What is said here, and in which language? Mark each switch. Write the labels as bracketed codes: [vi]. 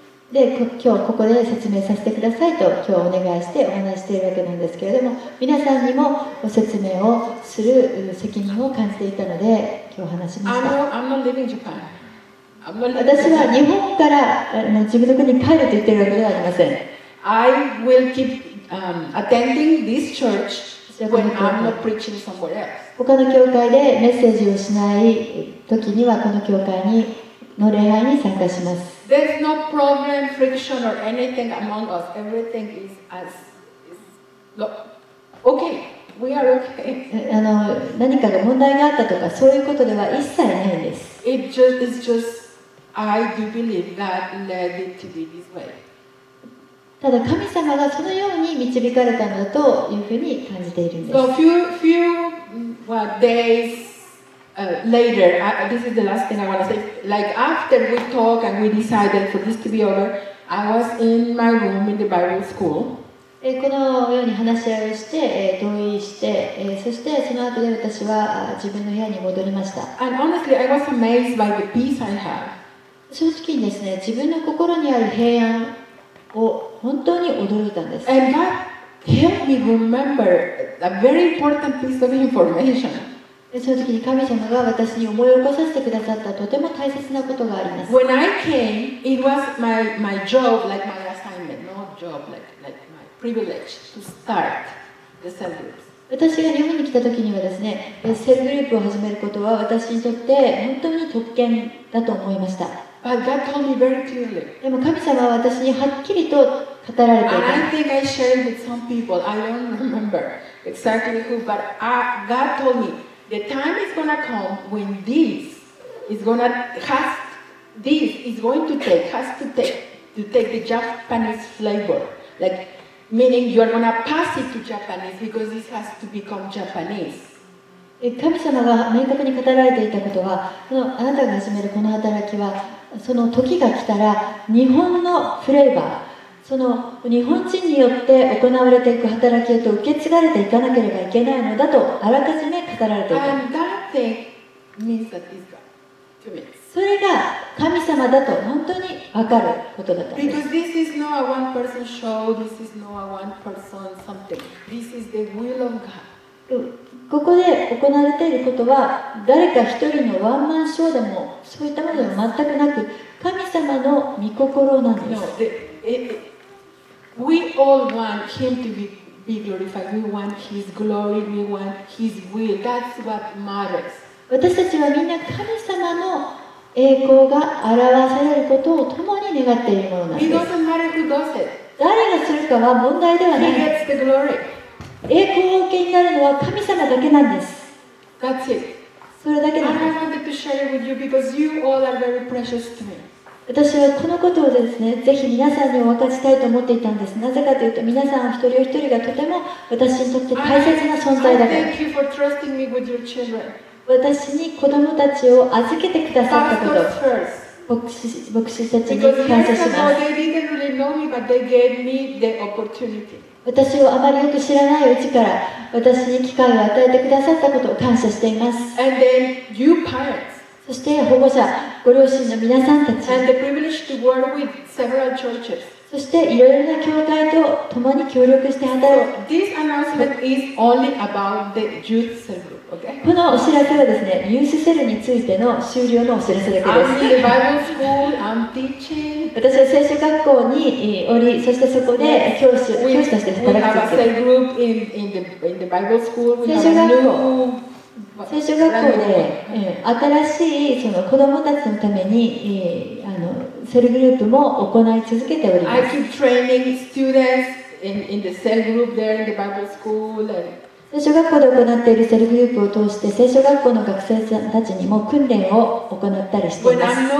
[ja] で今日ここで説明させてくださいと今日お願いしてお話しているわけなんですけれども、皆さんにもお説明をする責任を感じていたので今日話しました。私は日本から自分の国に帰ると言っているわけではありません。 [en] I will keep attending this church when I'm not preaching somewhere else. [ja] 他の教会でメッセージをしない時にはこの教会にの礼拝に参加します。 [en] There's no problem, friction or anything among us. Everything is as is. Okay, we are okay. [ja] 何かが問題があったとかそういうことでは一切ないんです。 [en] It's just I do believe God led it to be this way. [ja] ただ神様がそのように導かれたんだというふうに感じているんです。 [en] So few days. Later, this is the last thing I want to say. Like after we talked and we decided for this to be over, I was in my room in the Bible school. [ja] このように話し合いをして同意して、そしてその後で私は自分の部屋に戻りました。 [en] And honestly, I was amazed by the peace I had. [ja] 正直にですね、自分の心にある平安を本当に驚いたんです。 [en] And that helped me remember a very important piece of information. [ja] その時に神様が私に思い起こさせてくださったとても大切なことがあります。 [en] When I came, it was my job, like my assignment, not job, like my privilege to start the cell group. [ja] 私が日本に来た時にはですね、セルグループを始めることは私にとって本当に特権だと思いました。 [en] But God told me very clearly. [ja] でも神様は私にはっきりと語られていた。 [en] And I think I shared with some people. I don't remember exactly who, but God told me. The time is gonna come when this is gonna has this is going to take has to take the Japanese flavor, like meaning you are gonna pass it to Japanese because this has to become Japanese. [ja] 神様が明確に語られていたことは、このあなたが始めるこの働きは、その時が来たら日本のフレーバー。その日本人によって行われていく働きへと受け継がれていかなければいけないのだとあらかじめ語られていた。 [en] And that thing means that is God. [ja] それが神様だと本当に分かることだったんです。 [en] Because this is not a one person show, this is not a one person something. This is the will of God. [ja] ここで行われていることは誰か一人のワンマンショーでもそういったものでも全くなく神様の御心なんです。 [en] No, we all want Him to be glorified. We want His glory. We want His will. That's what matters. [ja] 私たちはみんな神様の栄光が表されることを共に願っているものなんです。 [en] It doesn't matter who does it. [ja] 誰がするかは問題ではない。 [en] He gets the glory. [ja] 栄光を受けになるのは神様だけなんです。 [en] That's it. [ja] それだけなんです。 [en] I wanted to share it with you because you all are very precious to me. [ja] 私はこのことをですね、ぜひ皆さんにお分かちしたいと思っていたんです。なぜかというと、皆さん一人一人がとても私にとって大切な存在だから。 [en] I thank you for trusting me with your children. [ja] 私に子供たちを預けてくださったこと、牧師たちに感謝します。 [en] Because they didn't really know me, but they gave me the opportunity. [ja] 私をあまりよく知らないうちから私に機会を与えてくださったことを感謝しています。 [en] And then you parents. [ja] そして保護者、ご両親の皆さんたち、 [en] And the privilege to work with several churches. [ja] そしていろいろな教会と共に協力して働く。 [en] This announcement is only about the youth cell group, okay? [ja] このお知らせはですね、ユースセルについての終了のお知らせだけです。 [en] I'm in the Bible school, I'm teaching. [ja] 私は聖書学校におり、そしてそこで教師、 [en] yes. [ja] 教師として働くんです。 [en] We have a cell group in the Bible school. [ja] 聖書学校で、新しいその子供たちのために、セルグループも行い続けております。 [en] I keep training students in the cell group there in the Bible school. [ja] 聖書学校で行っているセルグループを通して、聖書学校の学生さんたちにも訓練を行ったりしています。